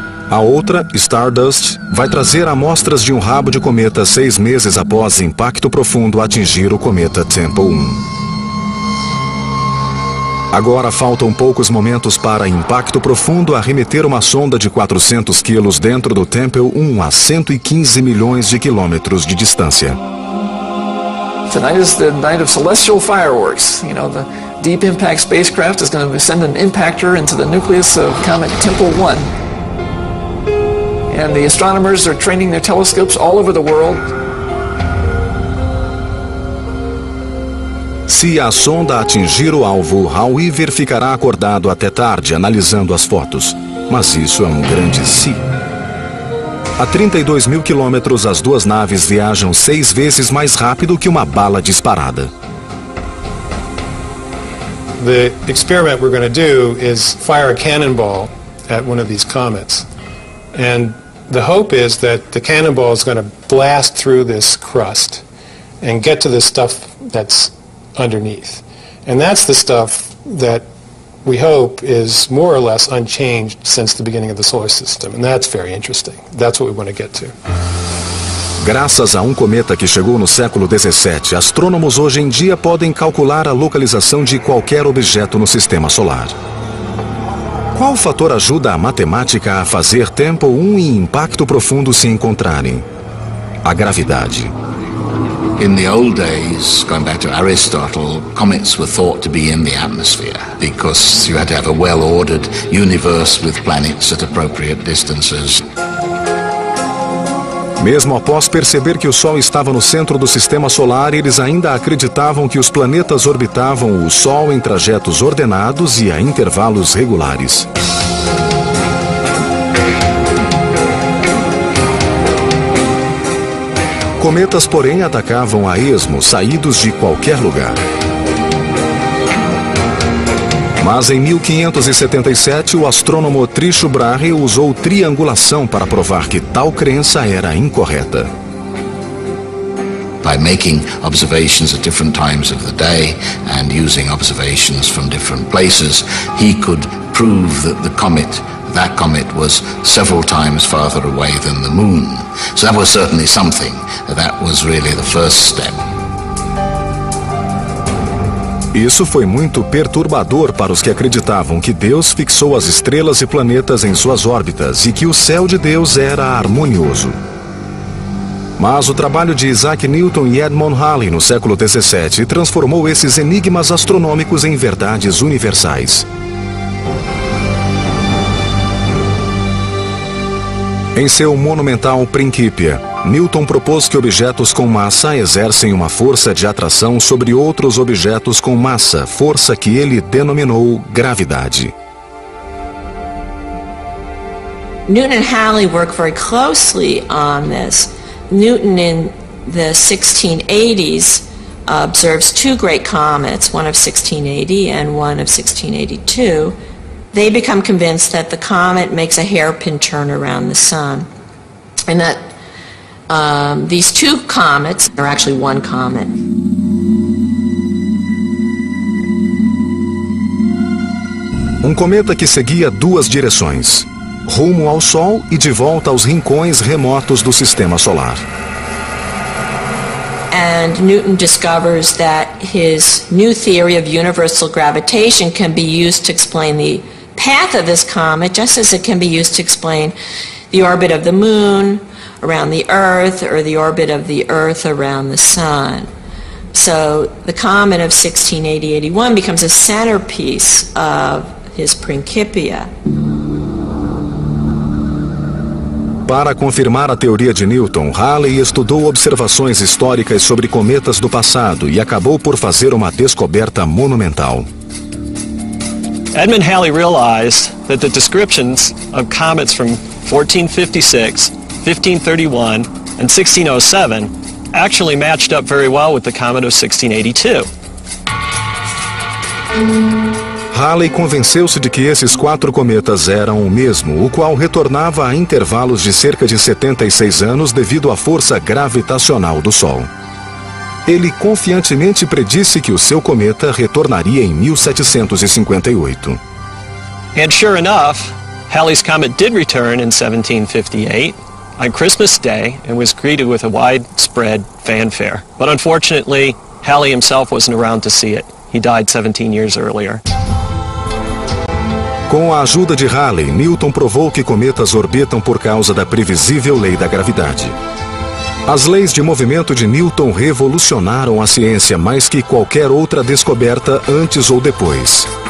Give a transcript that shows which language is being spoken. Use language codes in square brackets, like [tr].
[pt] A outra, Stardust, vai trazer amostras de um rabo de cometa 6 meses após Impacto Profundo atingir o cometa Tempo 1. Agora faltam poucos momentos para Impacto Profundo arremeter uma sonda de 400 quilos dentro do Tempo 1 a 115 milhões de quilômetros de distância. [en] Tonight is the night of celestial fireworks. You know, the Deep Impact spacecraft is going to send an impactor into the nucleus of comet Tempo 1. And the astronomers are training their telescopes all over the world. [pt] Se a sonda atingir o alvo, Hal Weaver ficará acordado até tarde, analisando as fotos. Mas isso é um grande se. A 32 mil quilômetros, as duas naves viajam 6 vezes mais rápido que uma bala disparada. [en] The experiment we're going to do is fire a cannonball at one of these comets. And the hope is that the cannonball is going to blast through this crust and get to the stuff that's underneath. And that's the stuff that we hope is more or less unchanged since the beginning of the solar system. And that's very interesting. That's what we want to get to. [pt] Graças a um cometa que chegou no século 17, astrônomos hoje em dia podem calcular a localização de qualquer objeto no sistema solar. Qual fator ajuda a matemática a fazer Tempo 1 e Impacto Profundo se encontrarem? A gravidade. [en] In the old days, going back to Aristotle, comets were thought to be in the atmosphere because you had to have a well-ordered universe with planets at appropriate distances. [pt] Mesmo após perceber que o Sol estava no centro do sistema solar, eles ainda acreditavam que os planetas orbitavam o Sol em trajetos ordenados e a intervalos regulares. Cometas, porém, atacavam a esmo, saídos de qualquer lugar. Mas em 1577, o astrônomo Tycho Brahe usou triangulação para provar que tal crença era incorreta. [en] By making observations at different times of the day and using observations from different places, he could prove that the comet, that comet was several times farther away than the moon. So that was certainly something. That was really the first step. [pt] Isso foi muito perturbador para os que acreditavam que Deus fixou as estrelas e planetas em suas órbitas e que o céu de Deus era harmonioso. Mas o trabalho de Isaac Newton e Edmund Halley no século 17 transformou esses enigmas astronômicos em verdades universais. Em seu monumental Principia, Newton propôs que objetos com massa exercem uma força de atração sobre outros objetos com massa, força que ele denominou gravidade. [en] Newton and Halley work very closely on this. Newton in the 1680s observes two great comets, one of 1680 and one of 1682. They become convinced that the comet makes a hairpin turn around the sun, and that These two comets are actually one comet. [pt] Cometa que seguia duas direções, rumo ao Sol e de volta aos rincões remotos do sistema solar. [en] And Newton discovers that his new theory of universal gravitation can be used to explain the path of this comet, just as it can be used to explain the orbit of the Moon around the Earth or the orbit of the Earth around the Sun. So the comet of 1680-81 becomes a centerpiece of his Principia. [pt] Para confirmar a teoria de Newton, Halley estudou observações históricas sobre cometas do passado e acabou por fazer uma descoberta monumental. [en] Edmund Halley realized that the descriptions of comets from 1456, 1531, and 1607 actually matched up very well with the comet of 1682. [pt] Halley convenceu-se de que esses quatro cometas eram o mesmo, o qual retornava a intervalos de cerca de 76 anos devido à força gravitacional do Sol. Ele confiantemente predisse que o seu cometa retornaria em 1758. [en] And sure enough, Halley's comet did return in 1758. On Christmas Day, it was greeted with a widespread fanfare. But unfortunately, Halley himself wasn't around to see it. He died 17 years earlier. [pt] Com a ajuda de Halley, Newton provou que cometas orbitam por causa da previsível lei da gravidade. As leis de movimento de Newton revolucionaram a ciência mais que qualquer outra descoberta antes ou depois.